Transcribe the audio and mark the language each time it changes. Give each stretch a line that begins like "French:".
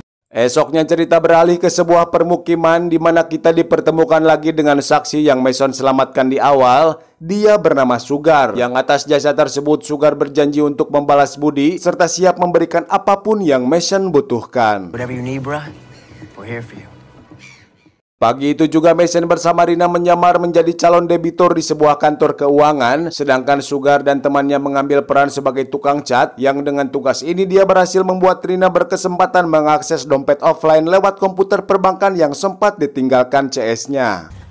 Indonesian: Esoknya cerita beralih ke sebuah permukiman di mana kita dipertemukan lagi dengan saksi yang Mason selamatkan di awal. Dia bernama Sugar, yang atas jasa tersebut Sugar berjanji untuk membalas budi serta siap memberikan apapun yang Mason butuhkan.
English: Whatever you need, bruh, we're here for you.
Indonesian: Pagi itu juga Mason bersama Rina menyamar menjadi calon debitur di sebuah kantor keuangan, sedangkan Sugar dan temannya mengambil peran sebagai tukang cat, yang dengan tugas ini dia berhasil membuat Rina berkesempatan mengakses dompet offline lewat komputer perbankan yang sempat ditinggalkan CS-nya.